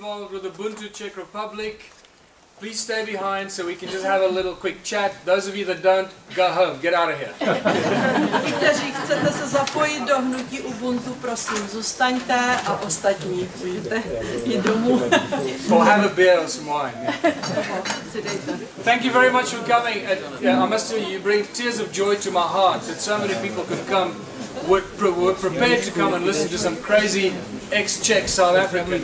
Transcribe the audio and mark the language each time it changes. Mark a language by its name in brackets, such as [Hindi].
[English] With Ubuntu Czech Republic, please stay behind so we can just have a little quick chat. Those of you that don't, go home, get out of here. [Czech] Vy, kteří chcete se zapojit do hnutí Ubuntu, prosím, zůstaňte a ostatní můžete jít domů. [English] Or have a beer or some wine. Yeah. Thank you very much for coming. I must tell you, you bring tears of joy to my heart that so many people could come, were prepared to come and listen to some crazy ex-Czech South African.